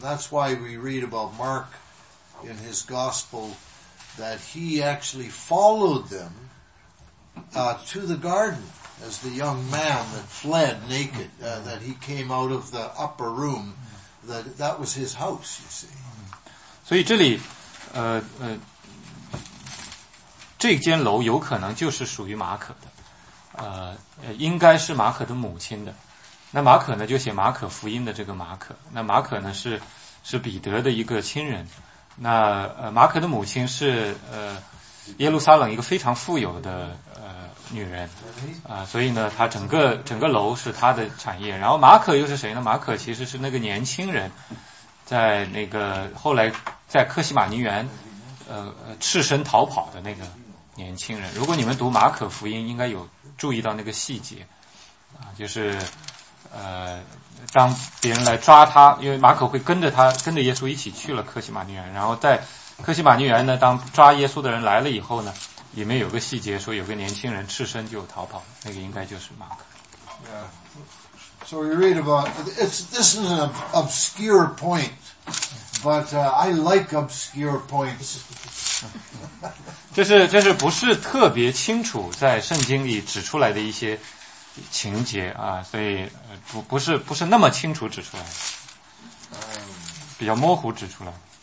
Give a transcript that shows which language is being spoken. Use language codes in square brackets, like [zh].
[en] That's why we read about Mark in his Gospel, that he actually followed them to the garden. As the young man that fled naked, that he came out of the upper room, that was his house, you see. [zh] 所以这里，这间楼有可能就是属于马可的，应该是马可的母亲的。那马可呢，就写马可福音的这个马可。那马可呢，是彼得的一个亲人。那马可的母亲是耶路撒冷一个非常富有的女人，所以呢，她整个楼是她的产业。然后马可又是谁呢？马可其实是那个年轻人，在那个后来在科西玛尼园，赤身逃跑的那个年轻人。如果你们读马可福音，应该有注意到那个细节，就是当别人来抓他，因为马可会跟着他，跟着耶稣一起去了科西玛尼园。然后在科西玛尼园呢，当抓耶稣的人来了以后呢。里面有个细节说有个年轻人赤身就逃跑，那个应该就是马可。 [en] Yeah. So we read about this is an obscure point, but I like obscure points. [zh] 这是不是特别清楚在圣经里指出来的一些情节啊？所以不是那么清楚指出来，比较模糊指出来。